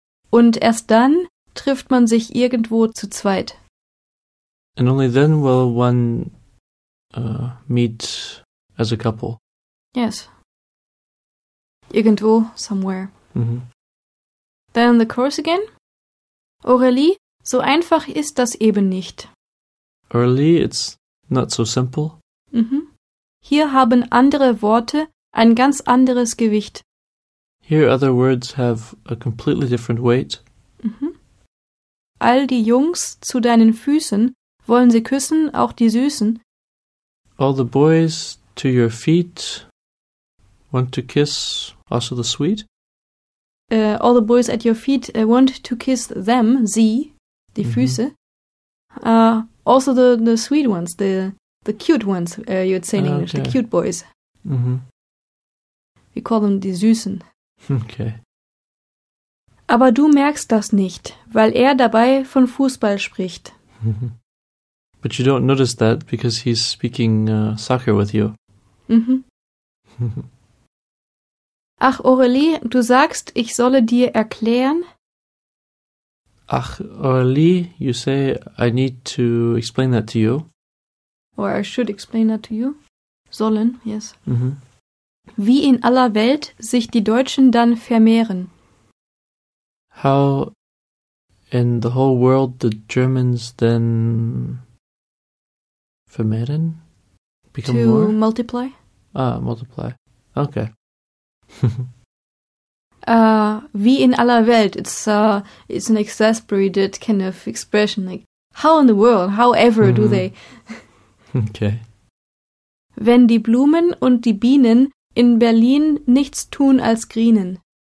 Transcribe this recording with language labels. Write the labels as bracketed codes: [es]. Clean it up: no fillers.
[de] Und erst dann trifft man sich irgendwo zu zweit. [en] And only then will one meet as a couple. Yes. Irgendwo, somewhere. Mm-hmm. Then the course again. [de] Aurélie, so einfach ist das eben nicht. [en] Aurélie, it's not so simple. Mm-hmm. [de] Hier haben andere Worte ein ganz anderes Gewicht. [en] Here other words have a completely different weight. Mm-hmm. [de] All die Jungs zu deinen Füßen wollen sie küssen, auch die Süßen. [en] All the boys to your feet want to kiss also the sweet. All the boys at your feet want to kiss them, [de] sie, die [en] mm-hmm. [de] Füße. [en] Also the sweet ones, the cute ones, you would say in English, okay. The cute boys. Mm-hmm. We call them die Süßen. Okay. [de] Aber du merkst das nicht, weil dabei von Fußball spricht. [en] But you don't notice that because he's speaking soccer with you. Mm-hmm. [de] Ach, Aurélie, du sagst, ich solle dir erklären? [en] Ach, Aurélie, you say I need to explain that to you. Or I should explain that to you. Sollen, yes. Mm-hmm. [de] Wie in aller Welt sich die Deutschen dann vermehren? [en] How in the whole world the Germans then vermehren? Become to more? Multiply. Ah, multiply. Okay. [de] wie in aller Welt. [en] It's an exasperated kind of expression. Like, how in the world, however mm-hmm. do they? Okay. [de] Wenn die Blumen und die Bienen in Berlin nichts tun als grienen.